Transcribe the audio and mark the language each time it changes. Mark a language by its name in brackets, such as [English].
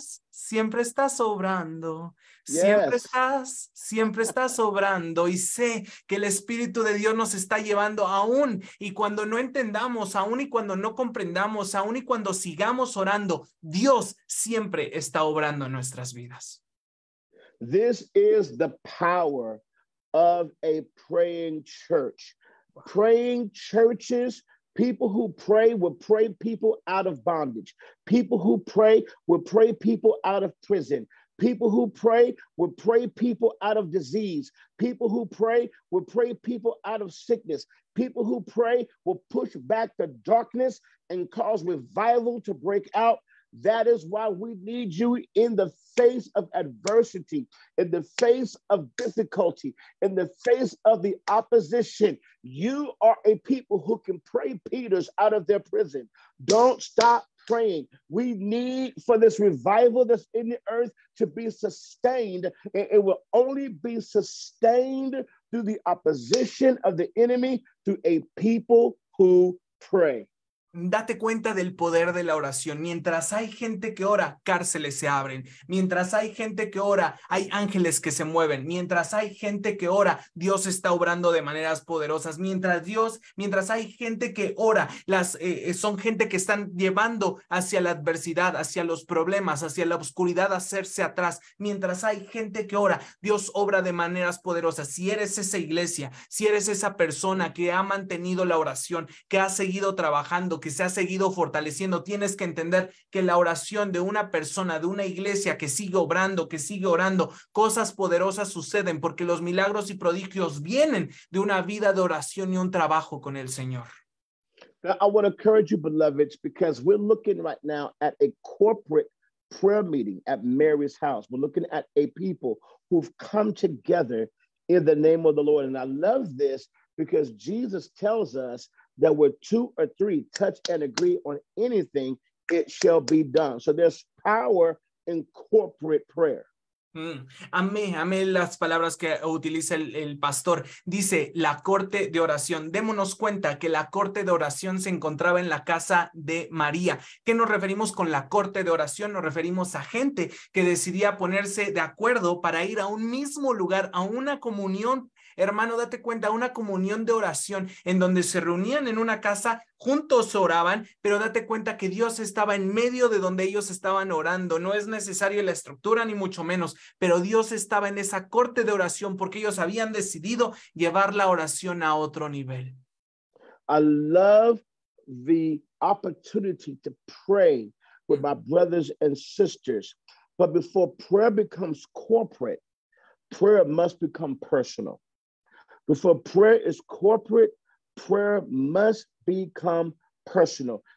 [Spanish] Siempre estás obrando. Siempre estás obrando, y sé que el Espíritu de Dios nos está llevando aún, y cuando no entendamos, aún y cuando no comprendamos, aún y cuando sigamos orando, Dios siempre está obrando en nuestras vidas. [English] This is the power of a praying church. Praying churches, people who pray will pray people out of bondage. People who pray will pray people out of prison. People who pray will pray people out of disease. People who pray will pray people out of sickness. People who pray will push back the darkness and cause revival to break out. That is why we need you in the face of adversity, in the face of difficulty, in the face of the opposition. You are a people who can pray Peters out of their prison. Don't stop praying. We need for this revival that's in the earth to be sustained. It will only be sustained through the opposition of the enemy, through a people who pray. [Spanish] Date cuenta del poder de la oración. Mientras hay gente que ora, cárceles se abren. Mientras hay gente que ora, hay ángeles que se mueven. Mientras hay gente que ora, Dios está obrando de maneras poderosas. Mientras hay gente que ora, son gente que están llevando hacia la adversidad, hacia los problemas, hacia la oscuridad, hacerse atrás. Mientras hay gente que ora, Dios obra de maneras poderosas. Si eres esa iglesia, si eres esa persona que ha mantenido la oración, que ha seguido trabajando, que se ha seguido fortaleciendo, tienes que entender que la oración de una persona, de una iglesia que sigue orando, cosas poderosas suceden, porque los milagros y prodigios vienen de una vida de oración y un trabajo con el Señor. [English] Now, I want to encourage you, beloveds, because we're looking right now at a corporate prayer meeting at Mary's house. We're looking at a people who've come together in the name of the Lord. And I love this because Jesus tells us that where two or three touch and agree on anything, it shall be done. So there's power in corporate prayer. [Spanish] Amé las palabras que utiliza el pastor. Dice, la corte de oración. Démonos cuenta que la corte de oración se encontraba en la casa de María. ¿Qué nos referimos con la corte de oración? Nos referimos a gente que decidía ponerse de acuerdo para ir a un mismo lugar, a una comunión Hermano, date cuenta, una comunión de oración en donde se reunían en una casa, juntos oraban, pero date cuenta que Dios estaba en medio de donde ellos estaban orando. No es necesario la estructura, ni mucho menos, pero Dios estaba en esa corte de oración porque ellos habían decidido llevar la oración a otro nivel. [English] I love the opportunity to pray with my brothers and sisters, but before prayer becomes corporate, prayer must become personal. Before prayer is corporate, prayer must become personal.